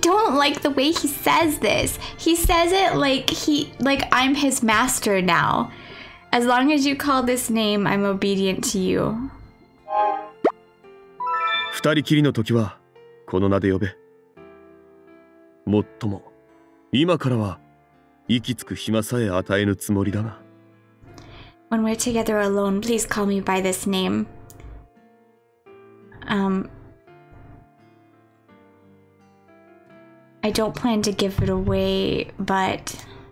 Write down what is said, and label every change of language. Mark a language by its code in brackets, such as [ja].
[en] Like the way he says this, he says it like he, like I'm his master now. As long as you call this name, I'm obedient to you. [ja] 二人きりの時はこの名で呼べ。もっとも今からは息つく暇さえ与えぬつもりだな。 [en] When we're together alone, please call me by this name. I don't plan to give it away, but...